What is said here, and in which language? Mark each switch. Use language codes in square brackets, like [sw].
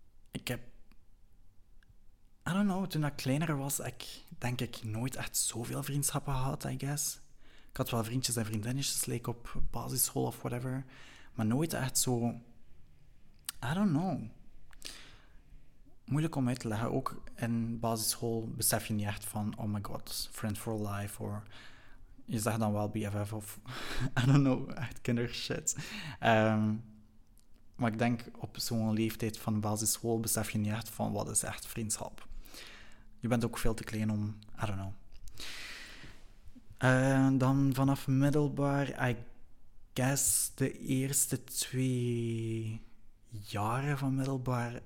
[nl] Ik heb... [en] I don't know, [nl] toen ik kleiner was, ik denk ik nooit echt zoveel vriendschappen gehad, [en] I guess. [nl] Ik had wel vriendjes en vriendinnetjes, like op basisschool of whatever. Maar nooit echt zo... [en] I don't know. [nl] Moeilijk om uit te leggen. Ook in basisschool besef je niet echt van... [en] Oh my god, friend for life. [nl] Of je zegt dan wel BFF of... [en] I don't know, [nl] echt kindershit. Maar ik denk op zo'n leeftijd van basisschool... Besef je niet echt van wat is echt vriendschap. Je bent ook veel te klein om... [en] I don't know. [nl] Dan vanaf middelbaar... [en] I guess [nl] de eerste 2 jaren van middelbaar...